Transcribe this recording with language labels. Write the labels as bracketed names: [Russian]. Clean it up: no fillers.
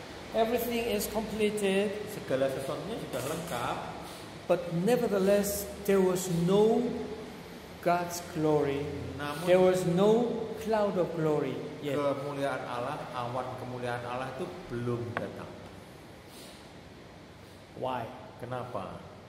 [English] Everything is completed. [Indonesian] Segala sesuatunya sudah lengkap. [English] But nevertheless, there was no God's glory. [Indonesian] Namun, [English] there was no cloud of glory yet. [Indonesian] Kemuliaan Allah, awan kemuliaan Allah itu belum datang. [English] Why? [Indonesian] Kenapa?